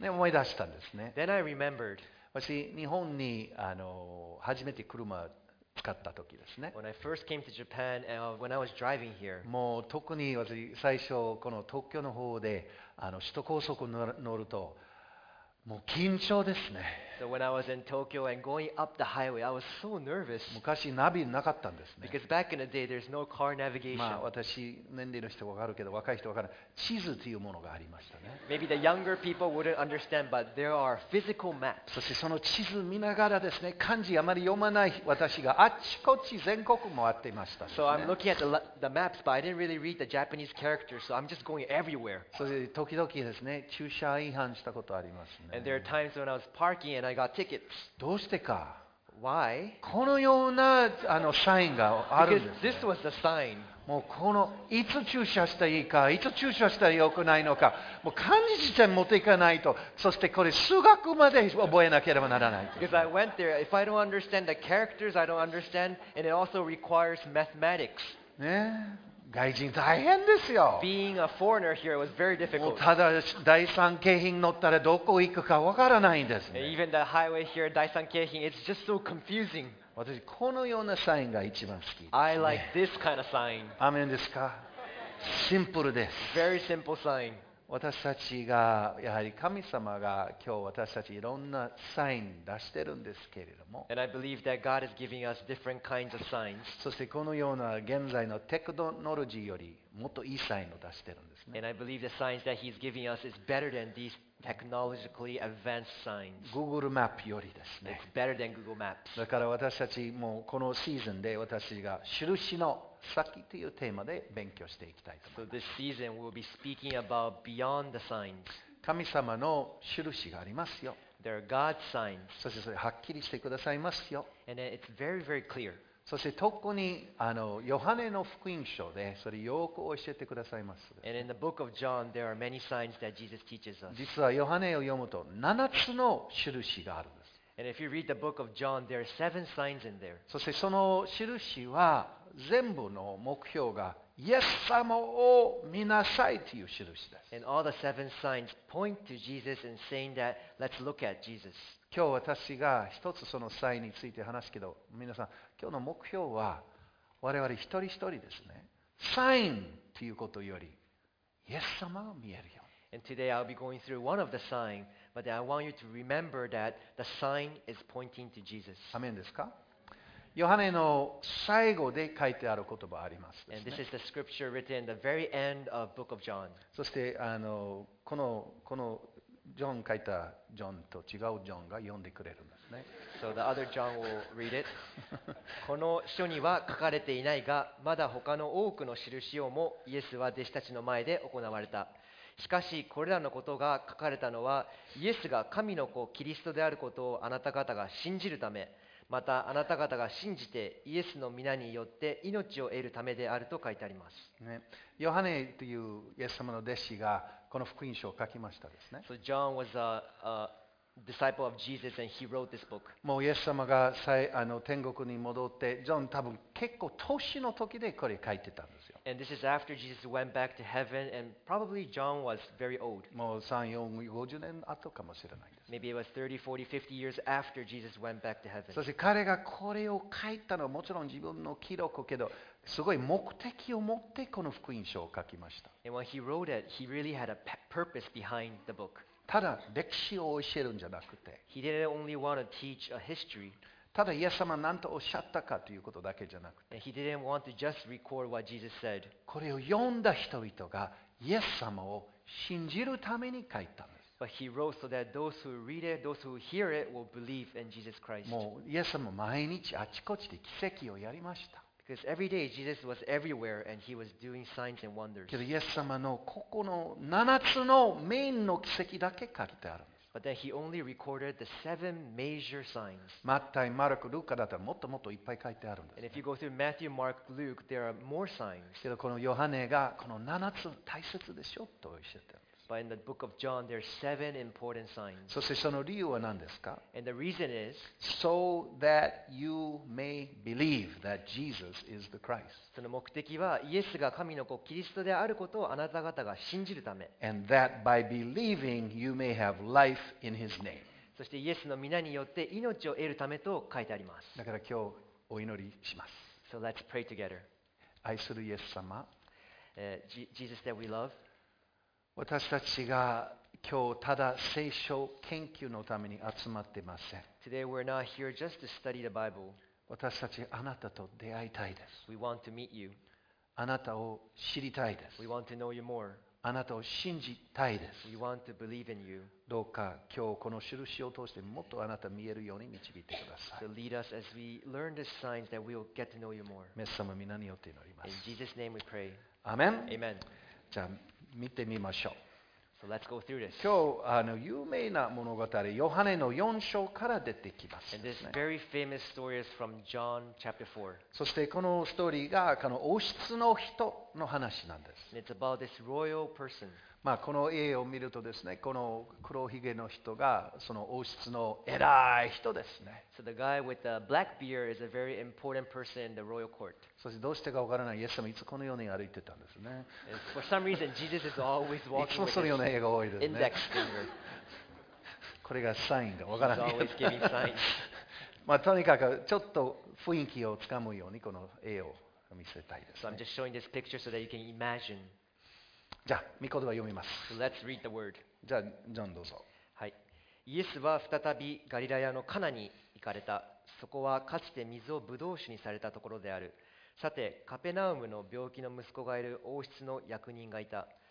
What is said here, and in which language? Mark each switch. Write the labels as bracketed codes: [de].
[ja] ね、思い出したんですね。 [en] Then I remembered. [ja] 私日本にあの初めて車を使った時ですね。 [en] When I first came to Japan and when I was driving here, [ja] もう特に私最初この東京の方であの首都高速に乗るともう緊張ですね。 [en] So when I was in Tokyo and going up the highway, I was so nervous. [ja] 昔ナビなかったんですね。 [en] Because back in the day, there's no car navigation. [ja] まあ私年齢の人わかるけど若い人わからない地図というものがありましたね。 [en] Maybe the younger people wouldn't understand, but there are physical maps. [ja] そしてその地図見ながらですね、漢字あまり読まない私があっちこっち全国回っていましたね。 [en] So I'm looking at the maps, but I didn't really read the Japanese characters, so I'm just going everywhere. [ja] そして時々ですね、駐車違反したことありますね。 [en] And there are times when I was parking and I got tickets. [ja] どうしてか? [en] Why? [ja] このようなあのサインがあるんです、ね。 [en] Because this was the sign. [ja] もうこのいつ駐車したらいいか、いつ駐車したらよくないのか、もう漢字自体持っていかないと、そしてこれ数学まで覚えなければならない。 [en] Because I went there, if I don't understand the characters, I don't understand, and it also requires mathematics. [ja] ね。外人大変ですよ。 [en] Being a foreigner here was very difficult. [ja] ただ第三京浜乗ったらどこ行くかわからないんですね。 [en] Even the highway here, 第三京浜, it's just so confusing. [ja] 私このようなサインが一番好き。 [en] I like this kind of sign. [ja] アメンですか?シンプルです。 [en] Very simple sign. [ja] 私たちがやはり神様が今日私たちいろんなサイン出してるんですけれども。 [en] And I believe that God is giving us different kinds of signs. [ja] そしてこのような現在のテクノロジーよりもっといいサインを出してるんですね。 [en] And I believe the signs that He's giving us is better than these technologically advanced signs. [ja] Google Map よりですね。 [en] It's better than Google Maps. [ja] だから私たちもこのシーズンで私が印の先というテーマで勉強していきたいと思います。 [en] So this season we'll be speaking about beyond the signs. [ja] 神様の印がありますよ。 [en] There are God's signs. [ja] そしてそれはっきりしてくださいますよ。 [en] And it's very, very clear. [ja] そして特にあのヨハネの福音書でそれよく教えてくださいます。 [en] And in the book of John, there are many signs that Jesus teaches us. [ja] 実はヨハネを読むと7つの印があるんです。 [en] And if you read the book of John, there are 7 signs in there. [ja] そしてその印は全部の目標がイエス様を見なさいという印です。 [en] And all the 7 signs point to Jesus and saying that let's look at Jesus. [ja] 今日私が一つその際について話すけど、皆さん、今日の目標は我々一人一人ですね。サインということより、イエス様が見えるよ。 [en] And today I'll be going through one of the signs, but I want you to remember that the sign is pointing to Jesus. [ja] アメンですか? ヨハネの最後で書いてある言葉ありますですね。 [en] And this is the scripture written in the very end of the book of John. [ja] そして、このジョン書いたジョンと違うジョンが読んでくれるんですね。 [en] So the other John will read it. [ja] この書には書かれていないが、まだ他の多くの印をもイエスは弟子たちの前で行われた。しかしこれらのことが書かれたのは、イエスが神の子キリストであることをあなた方が信じるため、またあなた方が信じてイエスの御名によって命を得るためであると書いてあります。ね、ヨハネというイエス様の弟子がこの福音書を書きましたですね。 [en] So John was a disciple of Jesus and he wrote this book. [ja] もうイエス様が天国に戻って、ジョン多分結構年の時でこれ書いてたんですよ。 [en] And this is after Jesus went back to heaven and probably John was very old. [ja] もう3、4、50年後かもしれないです。 [en] Maybe it was 30, 40, 50 years after Jesus went back to heaven. [ja] そして彼がこれを書いたのはもちろん自分の記録けど、すごい目的を持ってこの福音書を書きました。 [en] And when he wrote it, he really had a purpose behind the book. [ja] ただ歴史を教えるんじゃなくて、 [en] He didn't only want to teach a history. [ja] ただイエス様何とおっしゃったかということだけじゃなくて、 [en] And he didn't want to just record what Jesus said. [ja] これを読んだ人々がイエス様を信じるために書いたんです。 [en] But he wrote so that those who read it, those who hear it, will believe in Jesus Christ. [ja] もうイエス様毎日あちこちで奇跡をやりました。 [en] Because every day Jesus was everywhere and he was doing signs and wonders. [ja] けどイエス様のここの7つのメインの奇跡だけ書いてあるんです。 [en] But then he only recorded the seven major signs. [ja] マタイ、マルコ、ルカだったらもっともっといっぱい書いてあるんです、ね。 [en] And if you go through Matthew, Mark, Luke, there are more signs. [ja] けどこのヨハネがこの7つ大切でしょとおっしゃってる。 [en] But in the book of John, there are seven important signs. [ja] そしてその理由は何ですか? [en] And the reason is, so that you may believe that Jesus is the Christ. [ja] その目的は、イエスが神の子キリストであることをあなた方が信じるため。 [en] And that by believing, you may have life in His name. [ja] そしてイエスの名によって命を得るためと書いてあります。だから今日お祈りします。 [en] So let's pray together. [ja] 愛するイエス様。 [en] Jesus that we love. [ja] 私たちが今日ただ聖書研究のために集まっていません。 [en] Today we're not here just to study the Bible. [ja] 私たちあなたと出会いたいです。 [en] We want to meet you. [ja] あなたを知りたいです。 [en] We want to know you more. [ja] あなたを信じたいです。 [en] We want to believe in you. [ja] どうか今日この印を通してもっとあなた見えるように導いてください。 [en] So lead us as we learn the signs that we'll get to know you more. [ja] メッサム皆によって祈ります。 [en] In Jesus' name we pray. Amen. Amen. [ja] じゃあ見てみましょう。 [en] So、let's go through this. [ja] 今日有名な物語、ヨハネの4章から出てきます、ね。 [en] And this very famous story is from John chapter 4. [ja] そしてこのストーリーがこの王室の人の話なんです。 [en] And it's about this royal person. [ja] まあこの絵を見るとですね、この黒ひげの人がその王室の偉い人ですね。 [en] So the guy with the black beard is a very important person in the royal court. [ja] そしてどうしてか分からない、イエス様いつこのように歩いてたんですね。 [en] For some reason, Jesus is always walking [ja] いつもそのような絵が多いですね。 [en] Index finger. [ja] これがサインが分からない。 [en] He's always giving signs. [ja] まあとにかくちょっと雰囲気をつかむようにこの絵を見せたいです、ね。 [en] So I'm just showing this picture so that you can imagine. [ja] じゃあ、御言葉を読みます。 [en] So、let's read the word. [ja] じゃあ、ジョンどうぞ。はい。イエスは再びガリラヤのカナに行かれた。そこはかつて水をブドウ酒にされたところである。さて、カペナウムの病気の息子がいる王室の役人がいた。